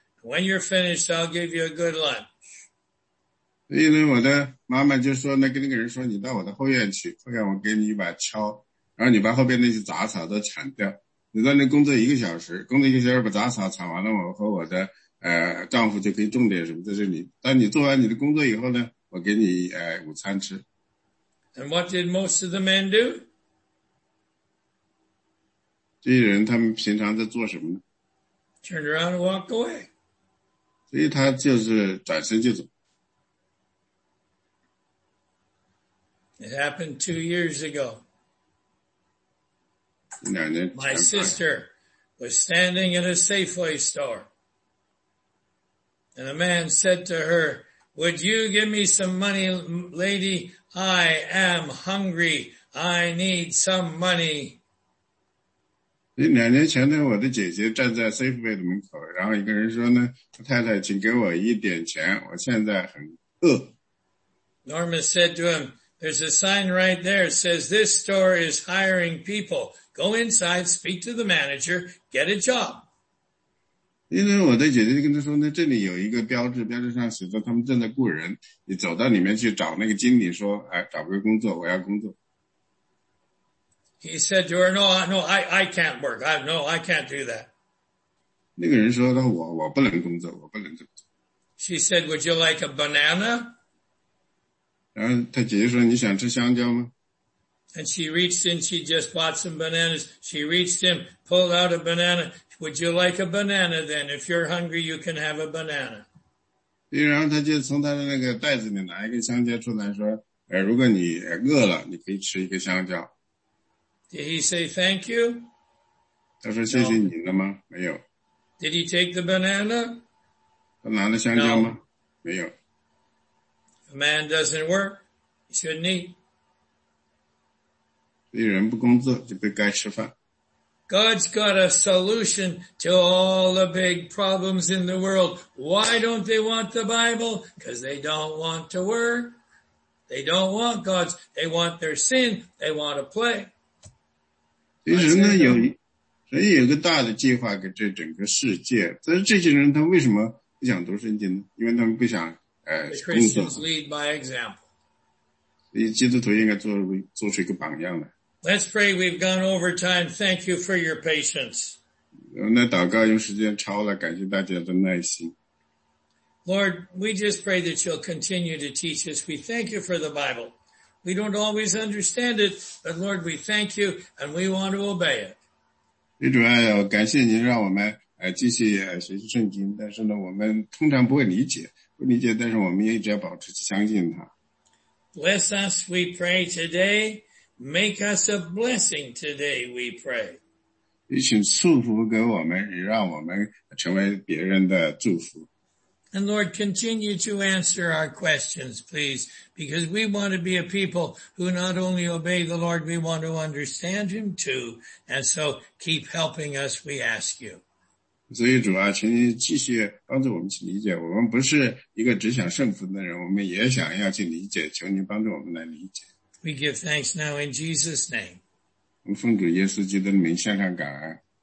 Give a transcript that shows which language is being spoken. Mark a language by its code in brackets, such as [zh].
[en] When you're finished, I'll give you a good lunch. [zh] 所以呢，我的妈妈就说呢，跟那个人说，你到我的后院去，后院我给你一把锹，然后你把后边那些杂草都铲掉。你在那工作一个小时，工作一个小时把杂草铲完了，我和我的丈夫就可以种点什么在这里。当你做完你的工作以后呢，我给你午餐吃。 [en] And what did most of the men do? [zh] 这些人他们平常在做什么呢？ [en] Turned around and walked away. [zh] 这所以他就是转身就走。 [en] It happened 2 years ago. [zh] 两年。 [en] My sister was standing in a Safeway store. And a man said to her, would you give me some money, lady? I am hungry. I need some money. [zh] 两年前呢，我的姐姐站在 Safeway 的门口，然后一个人说呢，太太，请给我一点钱，我现在很饿。 [en] Norma said to him, there's a sign right there that says this store is hiring people. Go inside, speak to the manager, get a job. [zh] 因为我的姐姐跟她说呢，这里有一个标志，标志上写着他们正在雇人，你走到里面去找那个经理说，哎，找个工作，我要工作。 [en] He said to her, no, I can't work. I can't do that. [zh] 那个人说他我不能工作，我不能工作。 [en] She said, would you like a banana? [zh] 然后他姐姐说，你想吃香蕉吗？ [en] And she reached in, she just bought some bananas. She reached in, pulled out a banana. Would you like a banana then? If you're hungry, you can have a banana. [zh] 然后他就从他的那个袋子里拿一个香蕉出来说，如果你饿了，你可以吃一个香蕉。 [en] Did he say thank you? [zh] 他说谢谢你了吗？没有。 [en] Did he take the banana? [zh] 他拿了香蕉吗？没有。 [en] A man doesn't work, he shouldn't eat. [zh] 一人不工作就不该吃饭。 [en] God's got a solution to all the big problems in the world. Why don't they want the Bible? Because they don't want to work. They don't want God's. They want their sin. They want to play. [zh] 其实呢，有个大的计划给这整个世界。但是这些人他为什么不想读圣经呢？因为他们不想工作。 [en] Christians lead by example. [zh] 所以基督徒应该做出一个榜样来。 [en] Let's pray. We've gone over time. Thank you for your patience. [zh] 那祷告用时间超了，感谢大家的耐心。 [en] Lord, we just pray that you'll continue to teach us. We thank you for the Bible. We don't always understand it, but Lord, we thank you and we want to obey it. [zh] 主啊，感谢您让我们继续学习圣经，但是呢，我们通常不理解，但是我们也一直要保持相信它。 [en] Bless us, we pray today. Make us a blessing today, we pray. [zh] 你请祝福给我们，让我们成为别人的祝福。 [en] And Lord, continue to answer our questions, please, because we want to be a people who not only obey the Lord, we want to understand Him too. And so keep helping us, we ask you. [zh] 所以主啊，请你继续帮助我们去理解，我们不是一个只想顺服的人，我们也想要去理解，求你帮助我们来理解。 [en] We give thanks now in Jesus' name. [zh] 我奉主耶稣基督的名献上感恩。